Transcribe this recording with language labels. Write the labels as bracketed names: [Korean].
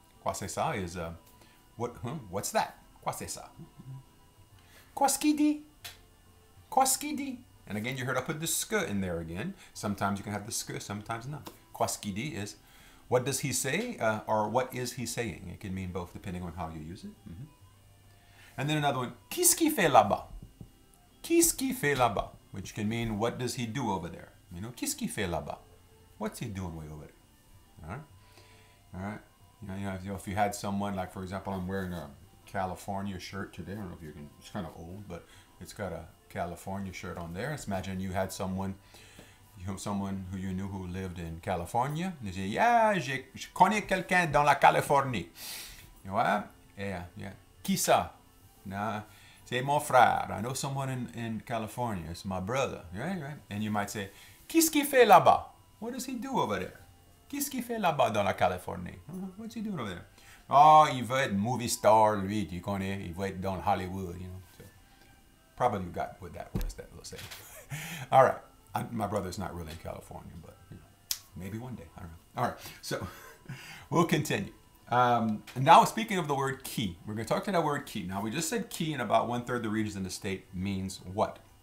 [French] Quoi c'est ça [English] is what? Huh? What's that? [French] Quoi c'est ça? Mm-hmm. Quoi ce qui dit? Quoi ce qui dit? [English] And again, you heard I put the sk in there again. Sometimes you can have the sk, sometimes not. [French] Quoi ce qui dit [English] is what does he say or what is he saying? It can mean both depending on how you use it. Mm-hmm. And then another one. [French] Qu'est-ce qu'il fait là-bas? Qu'est-ce qu'il fait là-bas? [English] Which can mean, what does he do over there? You know, [French] qu'est-ce qu'il fait là-bas? [English] What's he doing way over there? All right. If you had someone, like for example, I'm wearing a California shirt today. I don't know if you can, it's kind of old, but it's got a California shirt on there. Let's imagine you had someone who you knew who lived in California. They say, yeah, [French] je connais quelqu'un dans la Californie. [English] You know what? Yeah. [French] Qui ça? Nah. C'est mon frère. [English] I know someone in California. It's my brother. Right? And you might say, [French] qu'est-ce qu'il fait là-bas? [English] What does he do over there? [French] Qu'est-ce qu'il fait là-bas dans la Californie? [English] What's he doing over there? [French] Oh, il veut être movie star, lui, tu connais. Il veut être dans Hollywood, [English] you know. So, probably you got what that was, that little saying. All right. My brother's not really in California, but maybe one day. I don't know. All right. So, we'll continue. Now, speaking of the word qui, we're going to talk to that word qui. Now, we just said qui in about 1/3 the regions in the state means what.